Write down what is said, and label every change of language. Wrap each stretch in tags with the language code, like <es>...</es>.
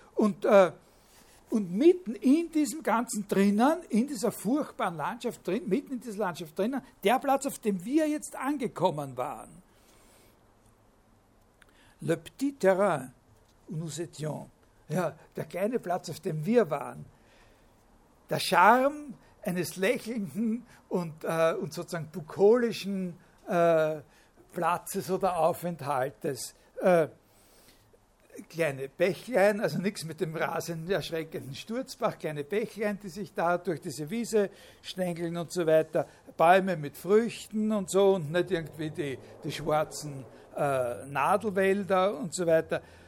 <de>Und mitten in diesem Ganzen drinnen, in dieser furchtbaren Landschaft drin, mitten in dieser Landschaft drinnen, der Platz, auf dem wir jetzt angekommen waren.</de> <fr>Le petit terrain où nous étions.</fr> <de>Ja, der kleine Platz, auf dem wir waren. Der Charme eines lächelnden und sozusagen bukolischen Platzes oder Aufenthaltes. Kleine Bächlein, also nichts mit dem rasenden, erschreckenden Sturzbach, kleine Bächlein, die sich da durch diese Wiese schlängeln und so weiter, Bäume mit Früchten und so und nicht irgendwie die schwarzen Nadelwälder und so weiter.</de>